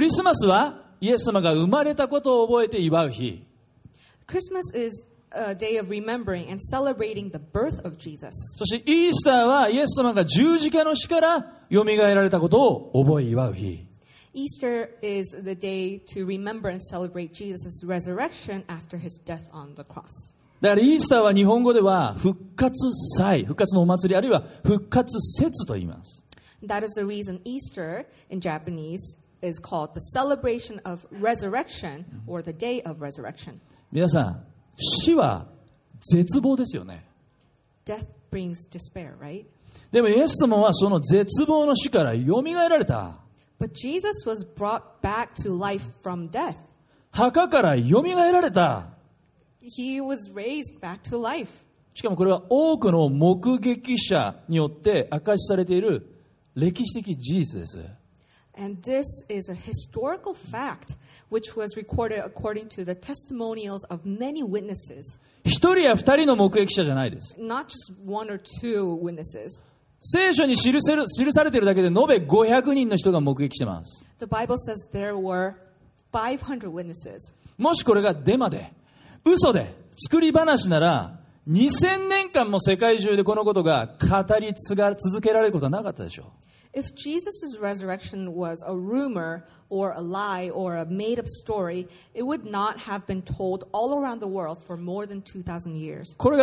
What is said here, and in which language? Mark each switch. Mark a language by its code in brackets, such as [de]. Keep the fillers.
[ja] リスマスはイエス様が生まれたことを覚えて祝う日。 [en] Christmas is a day of remembering and celebrating the birth of Jesus. [ja] そしてイースターはイエス様が十字架の死からよみがえられたことを覚え祝う日。 [en] Easter is the day to remember and celebrate Jesus' resurrection after his death on the cross. [ja] だからイースターは日本語では復活祭、復活のお祭り、あるいは復活節と言います。 [en] That is the reason Easter in Japanese is called the celebration of resurrection or the day of resurrection. [ja] 皆さん、死は絶望ですよね。 [en] Death brings despair, right? [ja] でも、イエス様はその絶望の死からよみがえられた。 [en] But Jesus was brought back to life from death. [ja] 墓からよみがえられた。 [en] He was raised back to life. [ja] しかもこれは多くの目撃者によって明かしされている。歴史的事実です。 [en] And this is a historical fact which was recorded according to the testimonials of many witnesses. [ja] 一人や二人の目撃者じゃないです。 [en] Not just one or two witnesses. [ja] 聖書に記,せる記されているだけで延べ500人の人が目撃してます。 [en] The Bible says there were 500 witnesses. [ja] もしこれがデマで、嘘で、作り話なら、2000年間も世界中でこのことが語り継が続けられることはなかったでしょう。 [en] If Jesus' resurrection was a rumor or a lie or a made up story, it would not have been told all around the world for more than 2,000 years.